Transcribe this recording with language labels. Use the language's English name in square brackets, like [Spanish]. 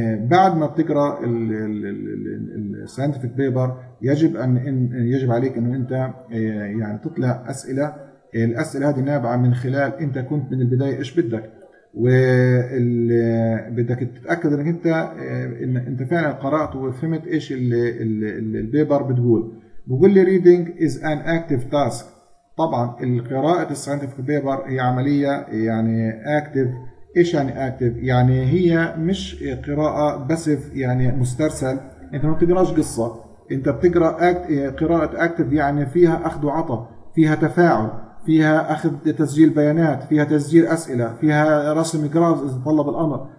[Arabic] بعد ما بتقرأ الـ scientific paper يجب أن يجب عليك أنه أنت يعني تطلع أسئلة. الأسئلة هذه نابعة من خلال أنت كنت من البداية إيش بدك، وبدك تتأكد أنك أنت فعلا قرأت وفهمت إيش الـ paper بتقول. بقول لي [English] reading is an active task، [Arabic] طبعا القراءة scientific paper هي عملية يعني [English] active. [Arabic] إيش يعني أكتف؟ يعني هي مش قراءة بسف يعني مسترسل، أنت ما بتقرأش قصة، أنت بتقرأ قراءة أكتف يعني فيها أخذ وعطى، فيها تفاعل، فيها أخذ تسجيل بيانات، فيها تسجيل أسئلة، فيها رسم جرافز إذا طلب الأمر.